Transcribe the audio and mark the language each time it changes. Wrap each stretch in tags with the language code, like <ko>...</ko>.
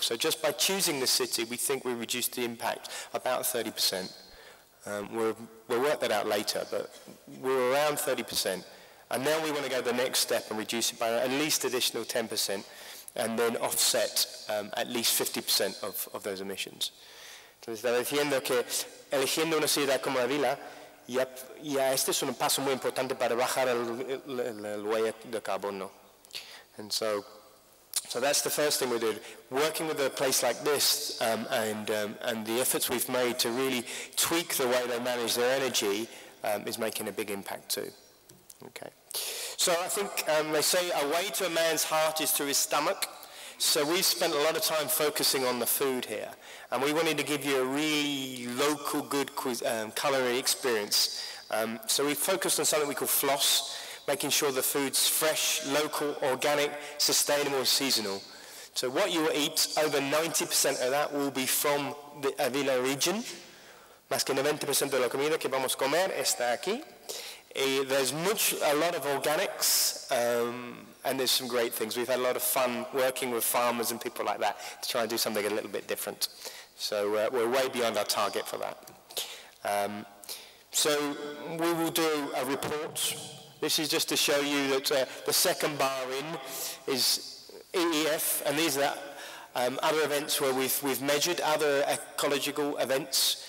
<en>So just by choosing the city, we think we reduced the impact about 30%. We'll work that out later, but we're around 30%. And now we want to go the next step and reduce it by at least additional 10%. And then offset at least 50% of those emissions.</en> <es>Entonces está diciendo que eligiendo una ciudad como Ávila, ya este es un paso muy importante para bajar el huella de carbono.</es> <en>And so that's the first thing we did. Working with a place like this and the efforts we've made to really tweak the way they manage their energy is making a big impact too. Okay. So I think they say a way to a man's heart is through his stomach. So we've spent a lot of time focusing on the food here. And we wanted to give you a really local, good culinary experience. So we focused on something we call floss, making sure the food's fresh, local, organic, sustainable, and seasonal. So what you will eat, over 90% of that will be from the Ávila region.</en> <es>Más que 90% de la comida que vamos a comer está aquí.</es> <en>There's a lot of organics, and there's some great things. We've had a lot of fun working with farmers and people like that to try and do something a little bit different. So we're way beyond our target for that. So we will do a report. This is just to show you that the second bar in is EEF, and these are other events where we've measured other ecological events.</en>